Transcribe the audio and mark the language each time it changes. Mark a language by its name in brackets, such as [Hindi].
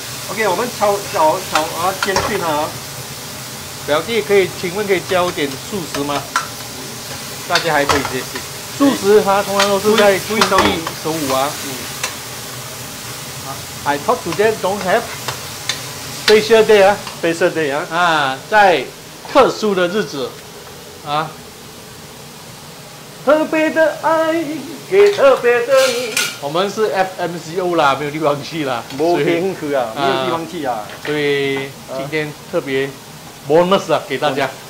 [Chinese] OK， 我们炒啊，煎碎它啊。表弟，可以请问可以教点素食吗？大家还可以学习素食，它通常都是在初一、周一、周五啊。 [English] I talk to them, don't have special day [Chinese] 啊 [English] ，special day 啊， [Chinese] 啊，在特殊的日子，啊，特别的爱给特别的你。我们是 FMCO 啦，没有地方去啦，没片刻啊，没有地方去啊。所以今天特别 bonus 啊，给大家。